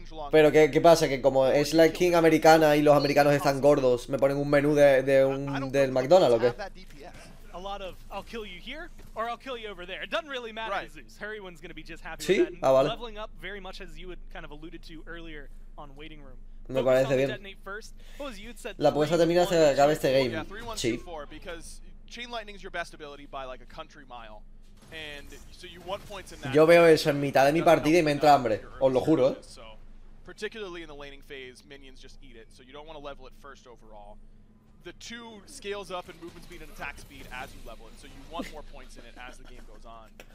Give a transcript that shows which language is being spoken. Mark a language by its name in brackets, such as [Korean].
[Spanish] Pero ¿qué pasa? Que como es la skin americana y los americanos están gordos, me ponen un menú del McDonald's, ¿o qué? [English] A lot of I'll kill you here or I'll kill you over there. It doesn't really matter, right. Zeus. Hurriwin's gonna be just happy [Spanish] ¿sí? [English] with that. [Spanish] Ah, vale. [English] Leveling up very much as you had kind of alluded to earlier on waiting room. [Spanish] Me parece bien. La apuesta termina hasta que acabe este game. [English] Yeah, 3-1-2-4 because chain lightning is your best ability by like a country mile. And so you want points in that. [Spanish] Yo veo eso en mitad de mi partida y me entra hambre. Os lo juro, [English] So particularly in the laning phase, minions just eat it, so you don't want to level it first overall. The two scales up in movement speed and attack speed as you level it, so you want more points in it as the game goes on.